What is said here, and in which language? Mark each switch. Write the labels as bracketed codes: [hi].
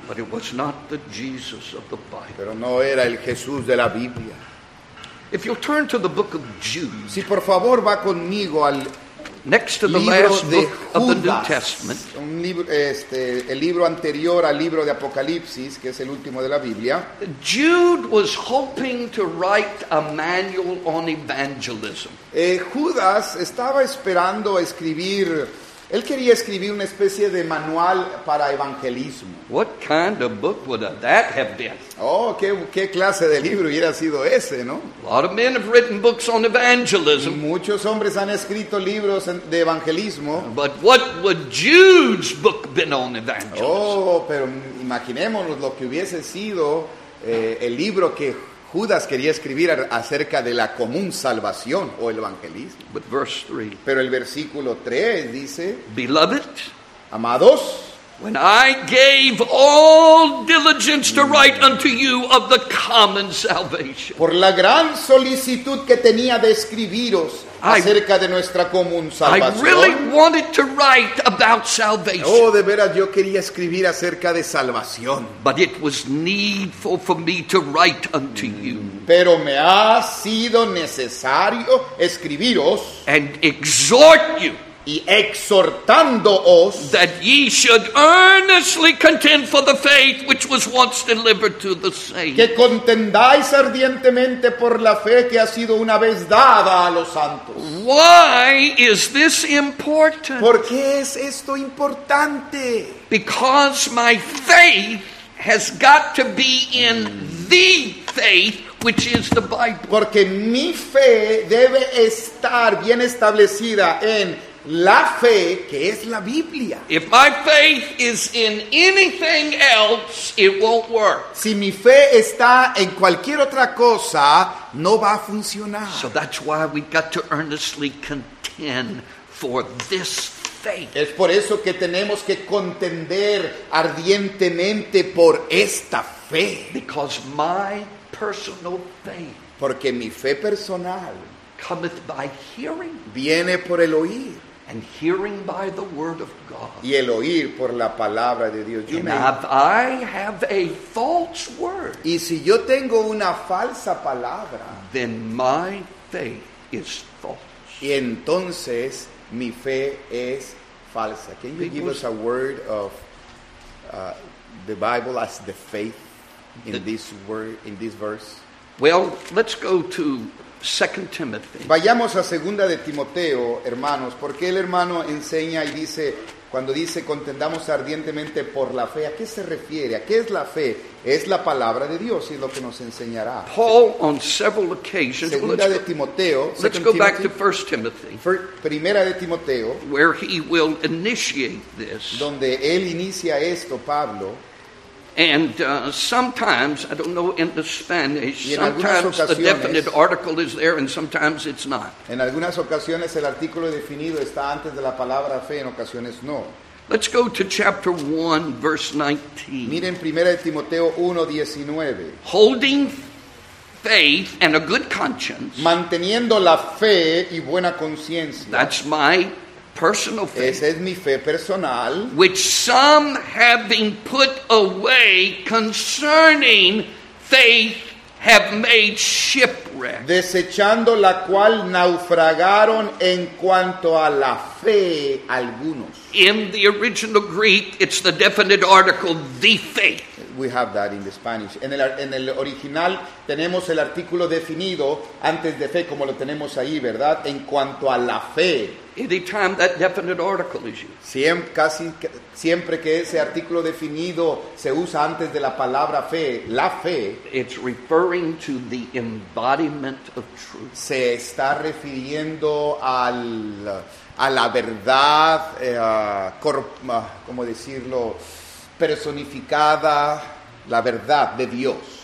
[en] But it was not the Jesus of the Bible. [es] Pero no era el Jesús de la Biblia. [en] If you'll turn to the book of Jude, [es] si por favor va conmigo al [en] next to the [es] libro [en] last [es] de [en] book [es] Judas, [en] of the New Testament, [es] el libro anterior al libro de Apocalipsis, que es el último de la Biblia. [en] Jude was hoping to write a manual on evangelism. [es] Judas estaba esperando escribir. Él quería escribir una especie de manual para evangelismo. [en] What kind of book would that have been? [es] Oh, qué clase de libro hubiera sido ese, ¿no? [en] A lot of men have written books on evangelism. [es] Muchos hombres han escrito libros de evangelismo. [en] But what would Jude's book been on evangelism? [es] Oh, pero imaginémonos lo que hubiese sido el libro que Judas quería escribir acerca de la común salvación o el evangelismo. [en] But verse 3. [es] Pero el versículo 3 dice: [en] Beloved, [es] amados, [en] when I gave all diligence to write unto you of the common salvation. [es] Por la gran solicitud que tenía de escribiros acerca de nuestra común salvación. [en] I really wanted to write about salvation. [es] Oh, de veras, yo quería escribir acerca de salvación. [en] But it was needful for me to write unto you. [es] Pero me ha sido necesario escribiros. [en] And exhort you. [es] Y exhortándoos [en] that ye should earnestly contend for the faith which was once delivered to the saints. [es] Que contendáis ardientemente por la fe que ha sido una vez dada a los santos. [en] Why is this important? [es] ¿Por qué es esto importante? [en] Because my faith has got to be in the faith which is the Bible. [es] Porque mi fe debe estar bien establecida en la fe, que es la Biblia. [en] If my faith is in anything else, it won't work. [es] Si mi fe está en cualquier otra cosa, no va a funcionar. [en] So that's why we've got to earnestly contend for this faith. [es] Es por eso que tenemos que contender ardientemente por esta fe. [en] Because my personal faith. [es] Porque mi fe personal. [en] Cometh by hearing. [es] Viene por el oír. [en] And hearing by the word of God. [es] Y el oír por la palabra de Dios. [en] And if I have a false word. [es] Y si yo tengo una falsa palabra. [en] Then my faith is false. [es] Y entonces mi fe es falsa. [en] Can you give us a word of the Bible as the faith in this word, in this verse? Well, let's go to 2 Timothy. [es] Vayamos a 2 de Timoteo, hermanos, porque el hermano enseña y dice, cuando dice contendamos ardientemente por la fe, ¿a qué se refiere? ¿A qué es la fe? Es la palabra de Dios y es lo que nos enseñará. [en] Paul on several occasions, [es] 2 de Timoteo, [en] let's go back to 1 Timothy. [es] 1 de Timoteo, [en] where he will initiate this. [es] Donde él inicia esto, Pablo. [en] And sometimes, I don't know in the Spanish, sometimes the definite article is there and sometimes it's not. [es] En algunas ocasiones el artículo definido está antes de la palabra fe, en ocasiones no. [en] Let's go to chapter 1, verse 19. [es] Miren primera de Timoteo 1:19. [en] Holding faith and a good conscience. [es] Manteniendo la fe y buena conciencia. [en] That's my personal faith. [es] Esa es mi fe personal. [en] Which some have been put away concerning faith have made shipwreck. [es] Desechando la cual naufragaron en cuanto a la fe algunos. [en] In the original Greek, it's the definite article, the faith. We have that in the Spanish. [es] En el original tenemos el artículo definido antes de fe, como lo tenemos ahí, ¿verdad? En cuanto a la fe. [en] Anytime that definite article is used. [es] Siempre que ese artículo definido se usa antes de la palabra fe, la fe. [en] It's referring to the embodiment of truth. [es] Se está refiriendo a la verdad, ¿cómo decirlo? Personificada, la verdad de Dios.